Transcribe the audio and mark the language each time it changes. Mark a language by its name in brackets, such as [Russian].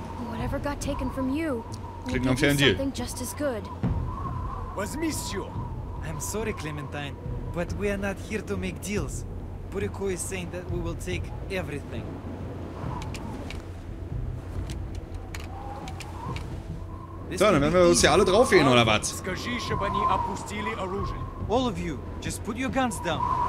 [English] Whatever got taken from you, we can do something just as good. [Russian] Возьми все. [English] I'm sorry, Clementine, but we are not here to make deals. Puriko is saying that we will take everything. [German] So, dann werden wir uns hier alle draufgehen, oder was? [Russian] Скажи, чтобы они опустили оружие. [English] All of you, just put your guns down.